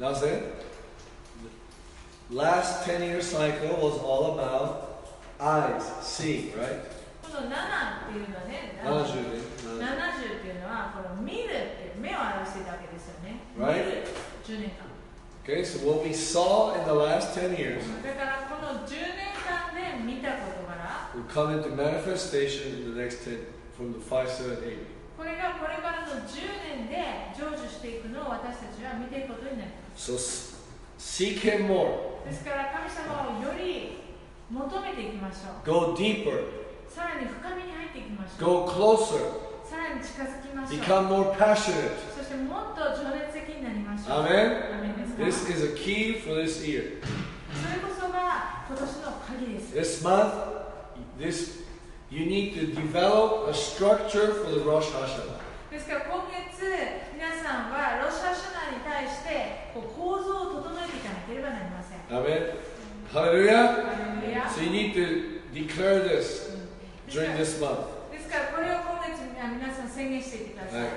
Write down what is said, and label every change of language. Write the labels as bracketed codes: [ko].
[en] なぜ ?Last 10 year cycle was all about eyes, seeing, right? [ja] この7っていうのはね、70っていうのはこの見るっていう目を表していたわけですよね。 Right? 見る10 年 [en] 間。Okay, so what we saw in the last 10 years. [ja] だからこの10年間で見たことから。 [en] Will come into manifestation in the next 10 from the 5, 7, 8. [ja] これがこれからの10年で成就していくのを私たちは見ていくことになります。 [en] So seek him more. [ja] ですから神様をより求めていきましょう。 [en] Go deeper. [ja] さらに深みに入っていきましょう。 [en] Go closer. [ja] さらに近づきましょう。 [en] Become more passionate. [ja] そしてもっと情熱的になりましょう。 [en] Amen. [ja] アメンですか? [en] This is a key for this year. [ja] それこそが [en] This month, this, you need to develop a structure for the Rosh Hashanah. [ja] ですから今月皆さんはロシアシュナーに対してこう構造を整えていかなければなりません。アメン。ハレルヤ。 [en] So you need to declare this during this month. [ja] ですからこれを今月皆さん宣言していってください。